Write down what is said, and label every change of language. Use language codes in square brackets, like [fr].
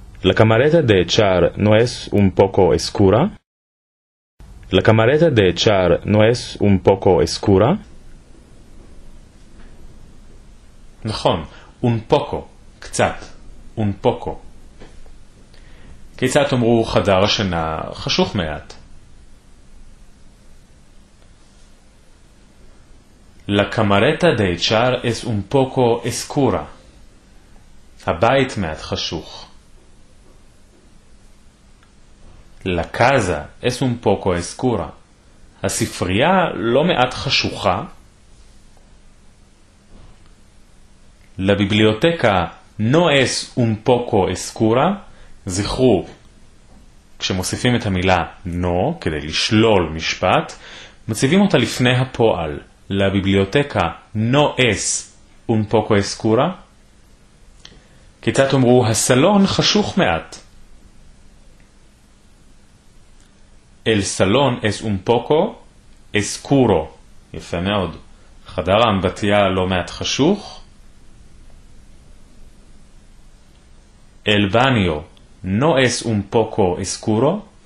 [lad] לקמרטה דה צ'אר נועס און פוקו אסקורה? לקמרטה דה צ'אר נועס און פוקו אסקורה? [he] נכון, און פוקו, קצת, און פוקו. כיצד אמרו חדר השינה חשוך מעט? [lad] La camareta de echar es un poco oscura. [he] הבית מעט חשוך. [lad] La casa es un poco oscura. [he] הספרייה לא מעט חשוכה. [lad] La biblioteca no es un poco oscura. [he] זכרו, כשמוסיפים את המילה no, כדי לשלול משפט, מציבים אותה לפני הפועל. [lad] La biblioteca no es un poco oscura. [he] כיצד אומרו, הסלון חשוך מעט. [lad] El salón es un poco oscuro. [he] יפה מאוד. חדר האמבטיה לא מעט חשוך. [lad] El baño no es un poco oscuro.